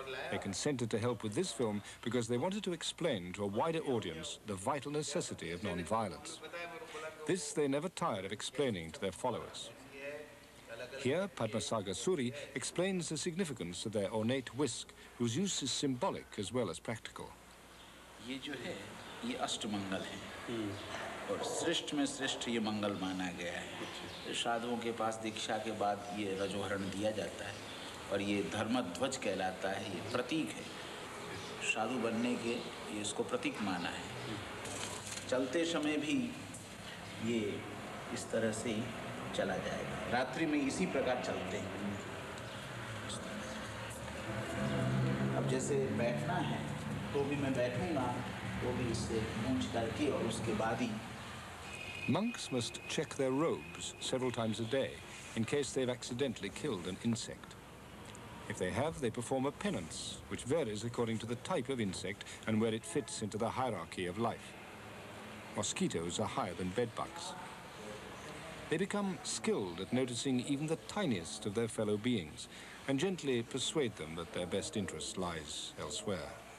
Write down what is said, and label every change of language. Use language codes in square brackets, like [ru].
[en] They consented to help with this film because they wanted to explain to a wider audience the vital necessity of non-violence. This they never tired of explaining to their followers. Here, Padmasagar Suri explains the significance of their ornate whisk, whose use is symbolic as well as practical. [hi] ये अष्ट मंगल हैं और श्रेष्ठ में श्रेष्ठ ये मंगल माना गया है। साधुओं के पास दीक्षा के बाद ये रजोहरण दिया जाता है और ये धर्म ध्वज कहलाता है, ये प्रतीक है साधु बनने के, ये इसको प्रतीक माना है। चलते समय भी ये इस तरह से ही चला जाएगा, रात्रि में इसी प्रकार चलते हैं। अब जैसे बैठना है तो भी मैं बैठूंगा, वो भी इससे मूंछ करके और उसके बाद ही। [en] Monks must check their robes several times a day in case they've accidentally killed an insect. If they have, they perform a penance, which varies according to the type of insect and where it fits into the hierarchy of life. Mosquitoes are higher than bedbugs. They become skilled at noticing even the tiniest of their fellow beings and gently persuade them that their best interest lies elsewhere.